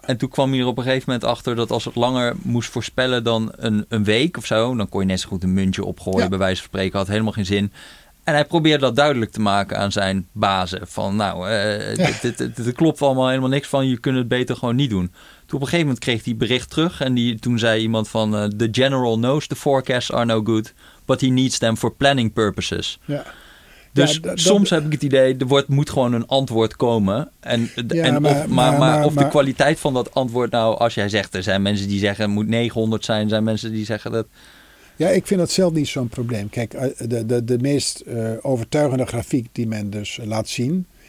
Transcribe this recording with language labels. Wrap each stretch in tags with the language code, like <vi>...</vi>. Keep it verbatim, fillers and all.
<nl>En toen kwam hij er op een gegeven moment achter dat als het langer moest voorspellen dan een, een week of zo... dan kon je net zo goed een muntje opgooien, ja. bij wijze van spreken. Had helemaal geen zin. En hij probeerde dat duidelijk te maken aan zijn bazen. Van nou, uh, ja. dit, dit, dit, dit klopt allemaal helemaal niks van. Je kunt het beter gewoon niet doen. Toen op een gegeven moment kreeg hij bericht terug. En die, toen zei iemand van...</nl> <en>Uh, the general knows the forecasts are no good. But he needs them for planning purposes.</en> <nl>Ja. Dus ja, dat, soms dat, heb ik het idee, er wordt, moet gewoon een antwoord komen. En, ja, en maar, of, maar, maar, maar, maar of de kwaliteit van dat antwoord nou... Als jij zegt, er zijn mensen die zeggen het moet negenhonderd zijn. Er zijn mensen die zeggen dat... Ja, ik vind dat zelf niet zo'n probleem. Kijk, de, de, de meest uh, overtuigende grafiek die men dus laat zien...</nl>